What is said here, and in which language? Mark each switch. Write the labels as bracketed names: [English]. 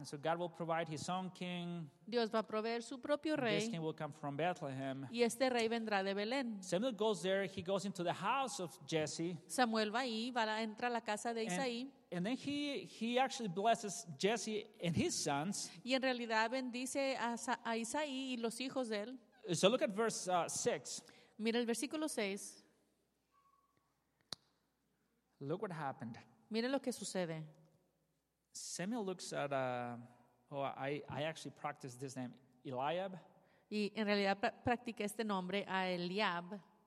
[English] And so God will provide his own king. [Spanish] Dios va a proveer su propio rey. [English] This king will come from Bethlehem. [Spanish] Y este rey vendrá de Belén. [English] Samuel goes there. He goes into the house of Jesse. [Spanish] Samuel va ahí, entra a la casa de Isaí. [English] And then he actually blesses Jesse and his sons. [Spanish] Y en realidad bendice a Isaí y los hijos de él. [English] So look at verse 6. [Spanish] Mira el versículo 6. [English] Look what happened. [Spanish] Mire lo que sucede. [English] Samuel looks at I actually practiced this name, Eliab. [Spanish] Y en realidad practiqué este nombre a Eliab.